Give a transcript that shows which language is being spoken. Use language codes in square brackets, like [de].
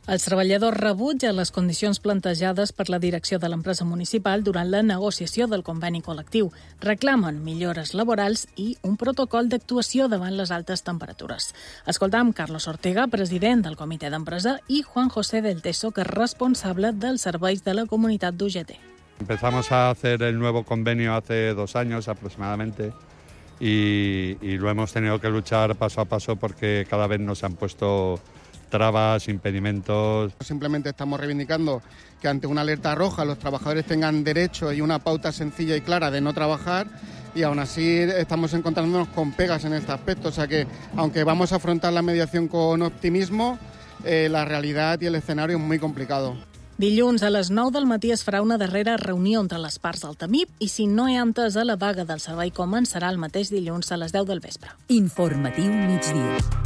[ca] Els treballadors rebutgen les condicions plantejades per la direcció de l'empresa municipal durant la negociació del conveni col·lectiu. Reclamen millores laborals i un protocol d'actuació davant les altes temperatures. Escoltam Carlos Ortega, president del comitè d'empresa, i Juan José del Teso, que és responsable dels serveis de la comunitat d'UGT. [es] Empezamos a hacer el nuevo convenio hace 2 años aproximadamente y lo hemos tenido que luchar paso a paso porque cada vez nos han puesto trabas, impedimentos. Simplemente estamos reivindicando que ante una alerta roja los trabajadores tengan derecho y una pauta sencilla y clara de no trabajar, y aún así estamos encontrándonos con pegas en este aspecto. O sea que, aunque vamos a afrontar la mediación con optimismo, la realidad y el escenario es muy complicado. [ca] Dilluns a les 9 del matí es farà una darrera reunió entre les parts del TAMIP i si no hi ha entesa, la vaga del servei començarà el mateix dilluns a les 10 del vespre. Informatiu migdia.